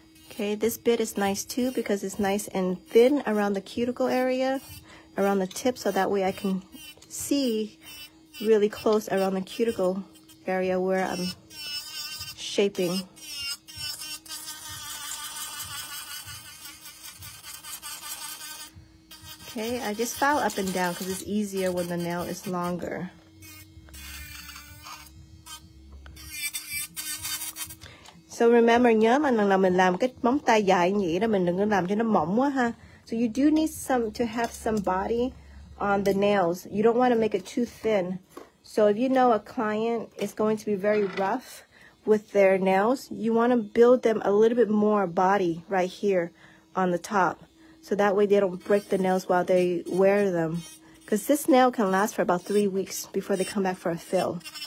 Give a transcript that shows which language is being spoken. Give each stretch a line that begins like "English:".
English: Okay, this bit is nice too because it's nice and thin around the cuticle area, around the tip, so that way I can see really close around the cuticle area where I'm shaping. Okay, I just file up and down because it's easier when the nail is longer. So remember,
Vietnamese: nhớ mà lần nào mình làm cái móng tay dài như vậy đó, mình đừng có làm cho nó mỏng quá ha.
English: So you do need to have some body on the nails. You don't want to make it too thin. So if you know a client is going to be very rough with their nails, you want to build them a little bit more body right here on the top. So that way they don't break the nails while they wear them. Because this nail can last for about 3 weeks before they come back for a fill.